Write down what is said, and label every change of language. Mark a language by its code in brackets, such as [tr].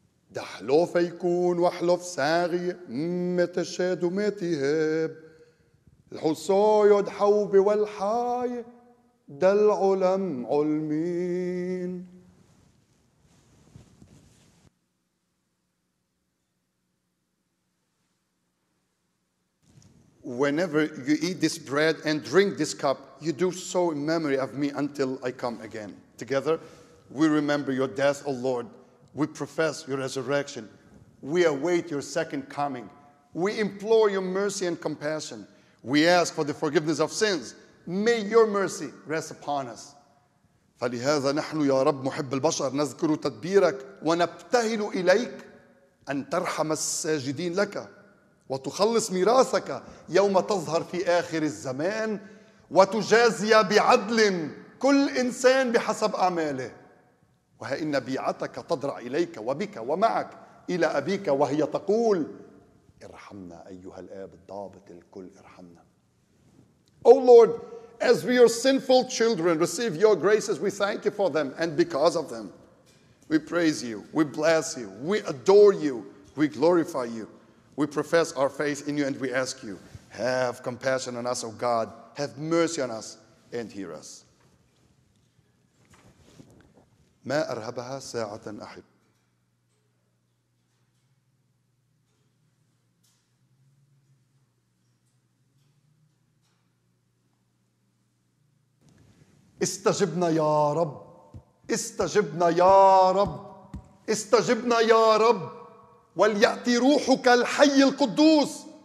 [en] دحلوف يكون وحلوف ساغي متشاد ومتهب الحصو يدحو بوالحاي دل علم علمين Whenever you eat this bread and drink this cup, you do so in memory of me until I come again. Together, we remember your death, O Lord. We profess your resurrection. We await your second coming. We implore your mercy and compassion. We ask for the forgiveness of sins. May your mercy rest upon us. [ar] فلهذا نحن يا رب محب البشر نذكر تدبيرك ونبتهل إليك أن ترحم الساجدين لك. وتخلص ميراثك يوم تظهر في آخر الزمان وتجازي بعدل كل إنسان بحسب أعماله وها إن بيعتك تضرع إليك وبك ومعك إلى أبيك وهي تقول ارحمنا أيها الآب الضابط الكل ارحمنا [en] O Lord, as we your sinful children receive your graces, we thank you for them and because of them. We praise you. We bless you. We adore you. We glorify you. We profess our faith in you, and we ask you, have compassion on us, O God. Have mercy on us and hear us. [ar] ما أرهبها ساعة أحب استجبنا يا رب استجبنا يا رب استجبنا يا رب وليأتي روحك الحي القدوس